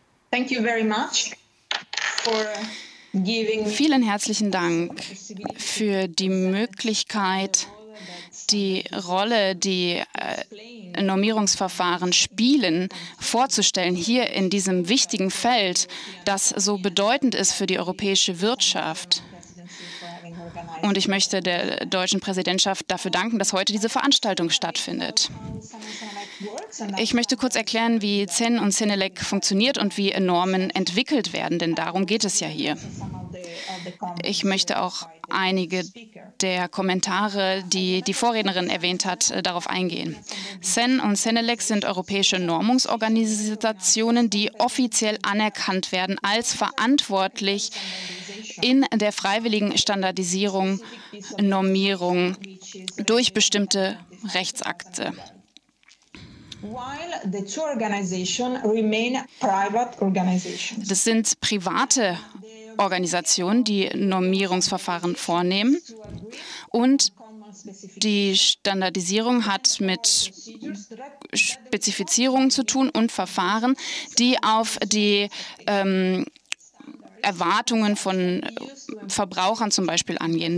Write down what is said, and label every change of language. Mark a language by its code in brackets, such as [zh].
[en] Thank you very much for giving [de] vielen herzlichen Dank für die Möglichkeit, die Rolle, die Normierungsverfahren spielen, vorzustellen hier in diesem wichtigen Feld, das so bedeutend ist für die europäische Wirtschaft. Und ich möchte der deutschen Präsidentschaft dafür danken, dass heute diese Veranstaltung stattfindet. Ich möchte kurz erklären, wie CEN und CENELEC funktioniert und wie Normen entwickelt werden, denn darum geht es ja hier. Ich möchte auch einige der Kommentare, die die Vorrednerin erwähnt hat, darauf eingehen. CEN und CENELEC sind europäische Normungsorganisationen, die offiziell anerkannt werden als verantwortlich in der freiwilligen Standardisierung, Normierung durch bestimmte Rechtsakte. [en] While the two organizations remain private organizations. [de] Das sind private Organisationen, die Normierungsverfahren vornehmen. Und die Standardisierung hat mit Spezifizierungen zu tun und Verfahren, die auf die Erwartungen von Verbrauchern zum Beispiel angehen.